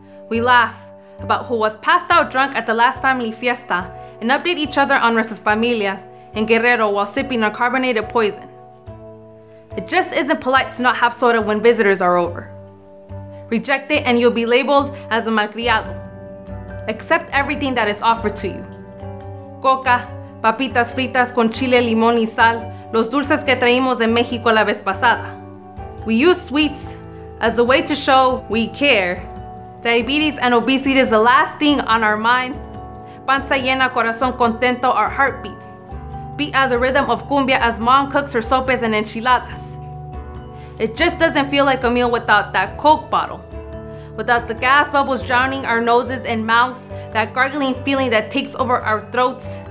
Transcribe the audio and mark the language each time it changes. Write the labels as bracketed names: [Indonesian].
[English] We laugh about who was passed out drunk at the last family fiesta and update each other on [Spanish] nuestras familias [English] in Guerrero while sipping on carbonated poison. It just isn't polite to not have soda when visitors are over. Reject it and you'll be labeled as a malcriado. Accept everything that is offered to you. [Spanish] Coca, papitas fritas con chile, limón y sal, los dulces que traímos de México la vez pasada. [English] We use sweets as a way to show we care. Diabetes and obesity is the last thing on our minds. [Spanish] Panza llena, corazón contento, [English] our heartbeats. Beat at the rhythm of cumbia as mom cooks her sopes and enchiladas. It just doesn't feel like a meal without that Coke bottle. Without the gas bubbles drowning our noses and mouths, that gargling feeling that takes over our throats.